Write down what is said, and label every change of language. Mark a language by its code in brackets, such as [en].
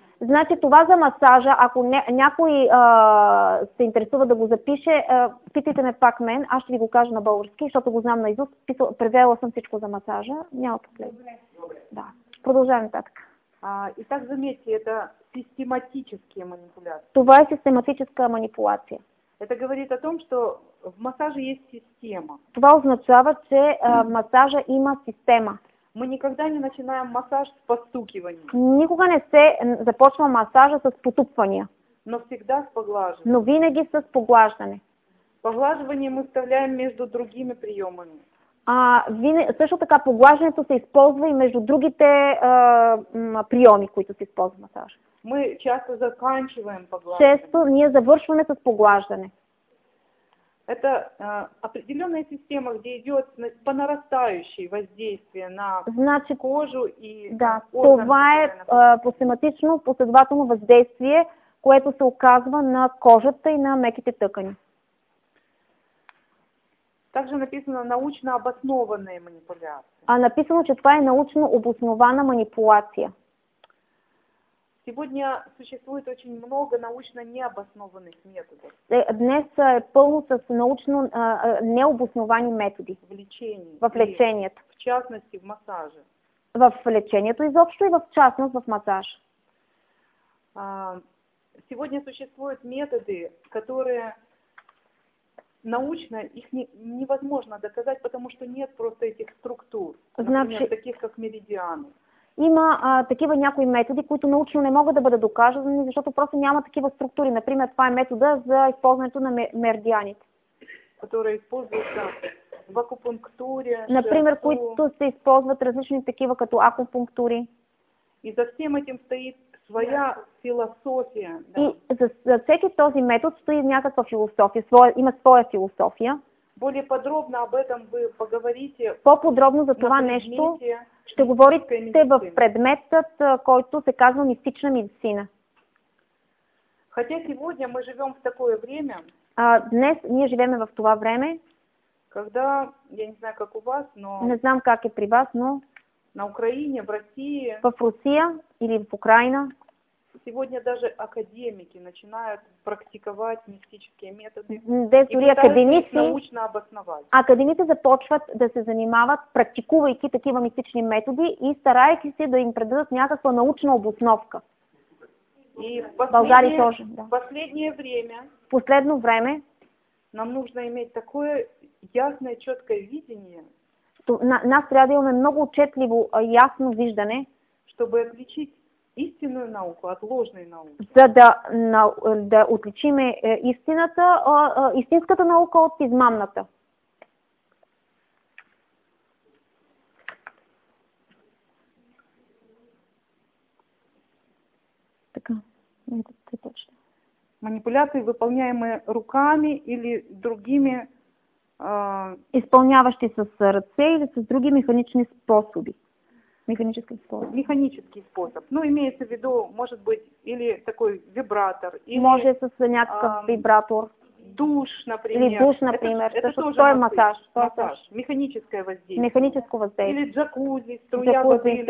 [bg] Значи това за масажа, ако някой се интересува да го запише, питайте ме пак мен, аз ще ви го кажа на български, защото го знам наизуст, превела съм всичко за масажа, няма проблем. Добре. Да. Продължаваме така. [ru] Итак, заметьте, это систематические манипуляции. [bg] Това е систематическа манипулация. [ru] Это говорит о том, что в масаже есть система. [bg] Това означава, че в масажа има система. [ru] Мы никогда не начинаем массаж с постукивания. [bg] Никога не се започва масажа с потупвания. [ru] Но всегда с поглаживанием. [bg] Но винаги с поглаждане. [ru] Поглаживание мы вставляем между другими приемами. [bg] Също така поглаждането се използва и между другите приеми, които се използва масаж. [ru] Мы часто заканчиваем [bg] поглаждане. Често ние завършваме с поглаждане. [ru] Это определенная система, где идет по нарастающей воздействие на кожу и да, органы. [bg] Това е систематично последователно въздействие, което се оказва на кожата и на меките тъкани. [ru] Также написано научно обоснованная манипуляция. Написано, что это научно обоснованная манипуляция. Сегодня существует очень много научно необоснованных методов. [bg] Днес е пълно с научно необосновани методи. [ru] В лечении. [bg] В лечението. [ru] В частности, в массаже. [bg] В лечението изобщо и в частност в масаж. [ru] Сегодня существуют методы, которые научно их невозможно доказать, потому что нет просто этих структур, например, таких как меридианы. [bg] Има такива някои методи, които научно не могат да бъдат доказани, защото просто няма такива структури. Например, това е метода за използването на меридианите. [ru] Которые используются в акупунктуре. [bg] Например, които се използват различни такива като акупунктури. [ru] И за всем этим стоит своя философия. [bg] И за всеки този метод стои някаква философия, има своя философия. [ru] Более подробно об этом вы поговорите. [bg] По-подробно за това нещо ще говорите в предметът, който се казва мистична медицина. [ru] Хотя сегодня мы живем в такое время. [bg] Днес ние живеем в това време. [ru] Когда, я не знаю, как у вас, но. [bg] Не знам как е при вас, но. [ru] На Украине, в России. [bg] В Русия или в Украина. [ru] Сегодня даже академики начинают практиковать мистические методы. [bg] Дори академици, [ru] научно обосновать. [bg] Академици започват да се занимават, практикувайки такива мистични методи и старайки се да им предадат някаква научна обосновка. [ru] И в България тоже. Да. В последно време нам нужно иметь такое ясное, четкое видение. [bg] Нас трябва да имаме много отчетливо, ясно виждане, [ru] чтобы отличить истинную науку от ложной науки. [bg] За да отличим истината, истинската наука от измамната. [ru] Така, это точно. Манипуляции, выполняемые руками или другими. [bg] Исполняващи с ръце или с други механични способи. [ru] Механический способ. Механический способ. Ну, имеется в виду, может быть, или такой вибратор. Может, это с [bg] някакъв [ru] вибратор. душ, например. [bg] Или душ, например. [ru] Это тоже что массаж? Массаж. Механическое воздействие. Механическое воздействие. Или джакузи, струя воды или